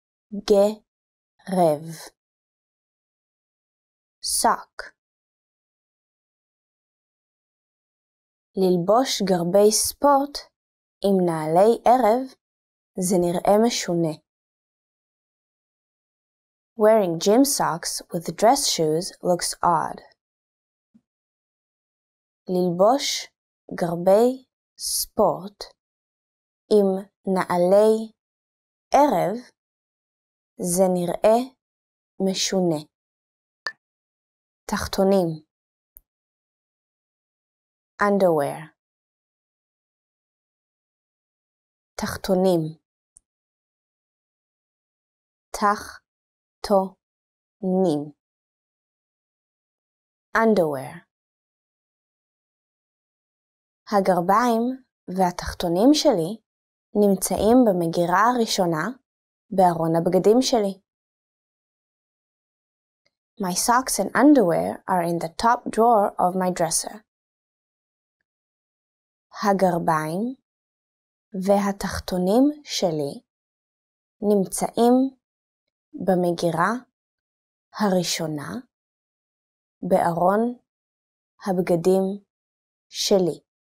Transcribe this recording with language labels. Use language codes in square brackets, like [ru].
[he] גרב. [en] Sock. [he] ללבוש גרבי ספורט עם נעלי ערב זה נראה משונה. [en] Wearing gym socks with dress shoes looks odd. [he] ללבוש גרבי ספורט עם נעלי ערב זה נראה משונה. תחתונים. [en] Underwear. [he] תחתונים. תחתונים. [en] Underwear. [he] הגרביים והתחתונים שלי נמצאים במגירה הראשונה בארון הבגדים שלי. [en] My socks and underwear are in the top drawer of my dresser. [he] הגרביים והתחתונים שלי נמצאים במגירה הראשונה בארון הבגדים שלי.